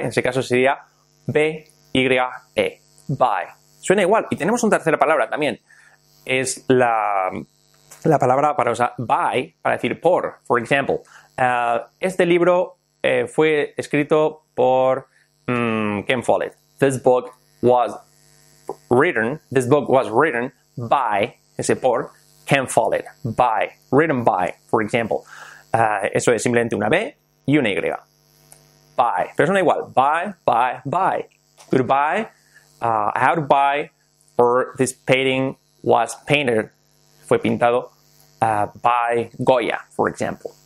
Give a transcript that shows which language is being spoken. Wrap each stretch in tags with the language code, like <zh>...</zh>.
<es>En ese caso sería B-Y-E. Bye. Suena igual. Y tenemos una tercera palabra también. Es la palabra para usar buy, para decir por.</es> <en>For example,</en> <es>este libro fue escrito por Ken Follett.</es> <en>This book was written by,</en> <es>ese por,</es> <en>Ken Follett. By, written by, for example.</en> <es>Eso es simplemente una B y una Y.</es> <en>By,</en> <es>pero suena igual.</es> <en>By, by, by. Goodbye. How to buy, or this painting was painted,</en> <es>fue pintado,</es> <en>by Goya, for example.</en>